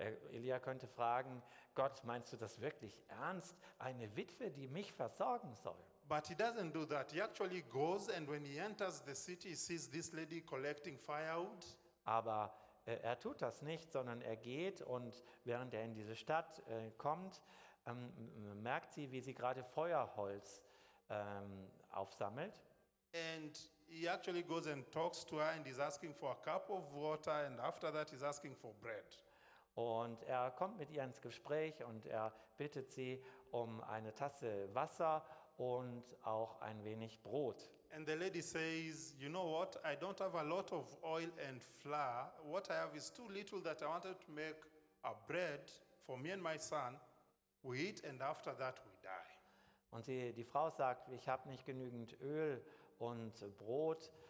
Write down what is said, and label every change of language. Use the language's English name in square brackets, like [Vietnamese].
[German] Elia könnte fragen, Gott, meinst du das wirklich ernst? Eine Witwe, die mich versorgen soll? [English] But he doesn't do that. He actually goes and when he enters the city, he sees this lady collecting firewood. [German] Aber er tut das nicht, sondern er geht und während er in diese Stadt kommt, merkt sie, wie sie gerade Feuerholz aufsammelt. [English] And he actually goes and talks to her and he's asking for a cup of water and after that he's asking for bread. [German] Und er kommt mit ihr ins Gespräch und er bittet sie um eine Tasse Wasser und auch ein wenig Brot. [English] And the lady says, you know what, I don't have a lot of oil and flour. What I have is too little that I wanted to make a bread for me and my son. We eat and after that we die. [German] Und die Frau sagt, ich habe nicht genügend Öl und Brot.